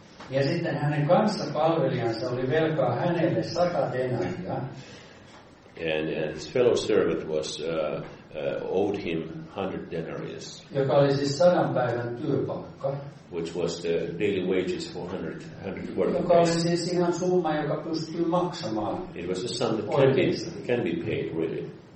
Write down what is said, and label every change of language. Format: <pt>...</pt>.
<fi>Ja sitten hänen kanssa palvelijansa oli velkaa hänelle 100 denaria.</fi> <en>And his fellow servant was owed him 100 denarius.</en> <fi>Joka oli siis 100 päivän työpalkka.</fi> <en>Which was the daily wages for 100 workdays.</en> <fi>Joka oli siis ihan summa, joka pystyy maksamaan.</fi> <en>It was a sum that can be paid, really.</en>